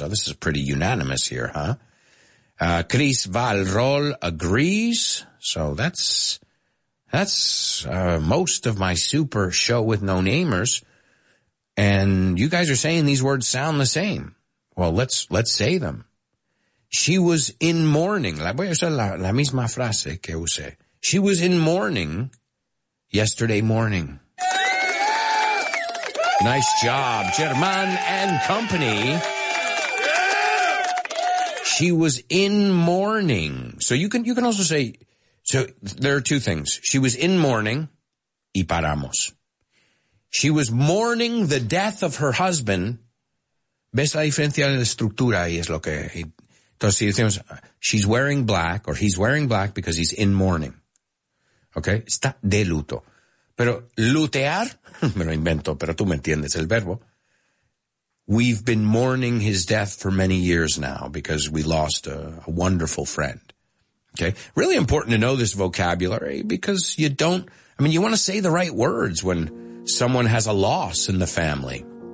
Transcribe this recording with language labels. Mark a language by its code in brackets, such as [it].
[en] Oh, this is pretty unanimous here, huh? Chris Valrol agrees. So that's most of my super show with no namers. And you guys are saying these words sound the same. Well, let's say them. She was in mourning. [es] La voy a usar la misma frase que usé. [en] She was in mourning yesterday morning. Nice job, German and company. She was in mourning. So you can also say, so there are two things. She was in mourning, [es] y paramos. [en] She was mourning the death of her husband. [es] ¿Ves la diferencia en la estructura? Y es lo que, entonces, si decimos, [en] she's wearing black, or he's wearing black because he's in mourning. Okay? [es] Está de luto. Pero lutear, me lo invento, pero tú me entiendes el verbo. [en] We've been mourning his death for many years now because we lost a wonderful friend. Okay? Really important to know this vocabulary because you don't, I mean, you want to say the right words when someone has a loss in the family.